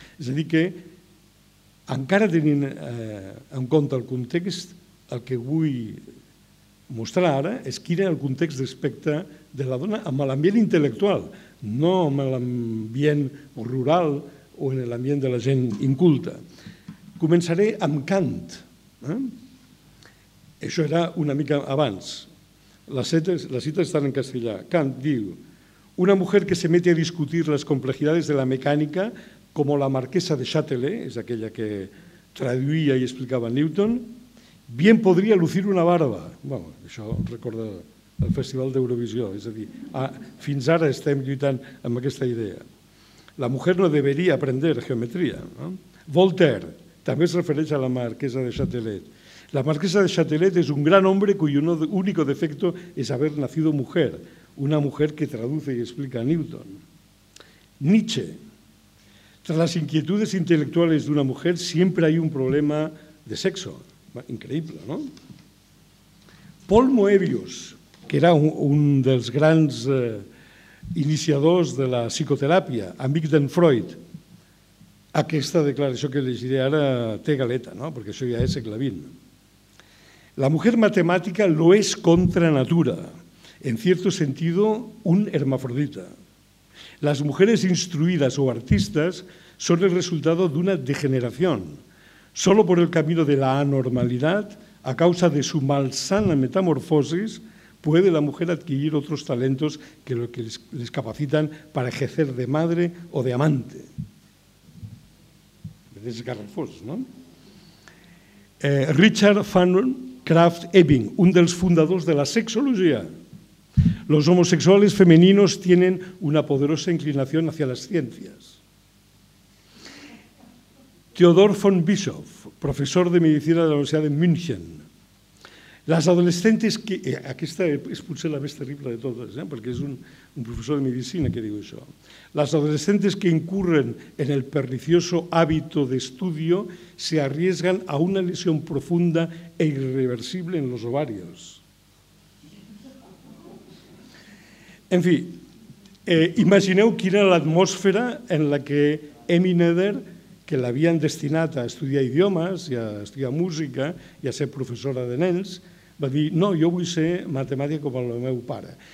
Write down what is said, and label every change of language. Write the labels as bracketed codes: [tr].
[ca] És a dir, que encara tenint en compte el context, el que vull mostrar ara és quin era el context respecte de la dona amb l'ambient intel·lectual, no amb l'ambient rural o en l'ambient de la gent inculta. Començaré amb Kant. Això era una mica abans. Les cites estan en castellà. [es] Kant diu: una mujer que se mete a discutir las complejidades de la mecánica, como la marquesa de Châtelet, [ca] és aquella que traduïa i explicava Newton, [es] bien podría lucir una barba. [ca] Bueno, això recorda el Festival d'Eurovisió, és a dir, fins ara estem lluitant amb aquesta idea. [es] La mujer no debería aprender geometria. No? [ca] Voltaire també es refereix a la marquesa de Châtelet. [es] La marquesa de Châtelet es un gran hombre cuyo único defecto es haber nacido mujer, una mujer que traduce y explica a Newton. Nietzsche: tras las inquietudes intelectuales de una mujer siempre hay un problema de sexo. [ca] Increïble, no? Paul Moebius, que era un dels grans iniciadors de la psicoteràpia, amic d'en Freud, aquesta declaració que llegiré ara té galeta, no? Perquè això ja és segle XX. [es] La mujer matemática lo es contra natura, en cierto sentido un hermafrodita. Las mujeres instruidas o artistas son el resultado de una degeneración. Solo por el camino de la anormalidad, a causa de su malsana metamorfosis, puede la mujer adquirir otros talentos que lo que les capacitan para ejercer de madre o de amante. [ca] Desgarrafós, no? Richard Fanon Kraft Ebing, un dels fundadors de la sexologia. [es] Los homosexuales femeninos tienen una poderosa inclinación hacia las ciencias. [ca] Theodor von Bischoff, professor de medicina de la Universitat de München. [es] Las adolescentes que... [ca] Aquesta és potser la més terrible de totes, perquè és un professor de medicina que diu això. [es] Las adolescentes que incurren en el pernicioso hábito de estudio se arriesgan a una lesión profunda e irreversible en los ovarios. [ca] En fi, imagineu quina era l'atmosfera en la que Emmy Noether, que l'havien destinat a estudiar idiomes i a estudiar música i a ser professora de nens, va dir: no, jo vull ser matemàtica com el meu pare.